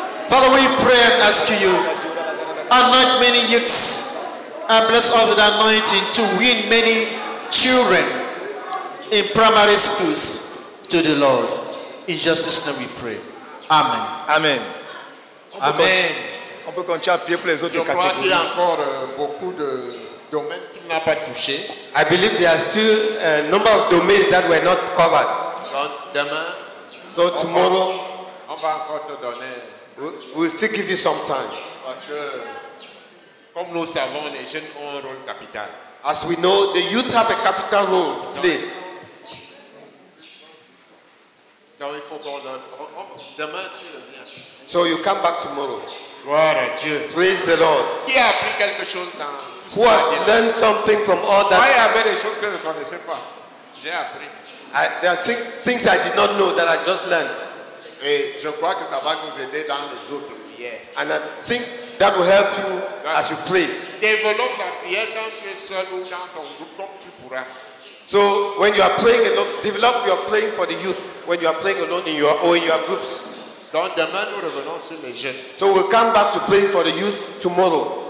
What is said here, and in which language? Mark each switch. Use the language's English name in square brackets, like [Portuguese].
[English] Father, we pray and ask you, anoint many youths and bless all with anointing to win many children in primary schools to the Lord. In Jesus' name we pray. Amen. Amen. Amen. [French] On peut continuer à prier pour les autres catégories. Il y a encore beaucoup de domaines qu'il n'a pas touché. [English] I believe there are still a number of domains that were not covered. [French] Demain. [English] So tomorrow. [French] On va encore te donner. [English] We'll still give you some time. [French] Parce que, comme nous savons, les jeunes ont un rôle capital. [English] As we know, the youth have a capital role to play. [French] Donc, il faut qu'on donne. Demain, tu reviens. [English] So you come back tomorrow. [French] Gloire à Dieu. [English] Praise the Lord. [French] Qui a appris quelque chose dans. [English] Who has learned something from all that? [French] Moi, il y avait des choses que je ne connaissais pas. J'ai appris. [English] There are things I did not know that I just learned. [French] Et je crois que ça va nous aider dans les autres prières. [English] And I think that will help you as you pray. [French] Développe la prière quand tu es seul ou dans ton groupe comme tu pourras. [English] So when you are praying alone, develop your praying for the youth when you are praying alone in your or in your groups. [French] Donc demain nous revenons sur les jeunes. [English] So we'll come back to praying for the youth tomorrow.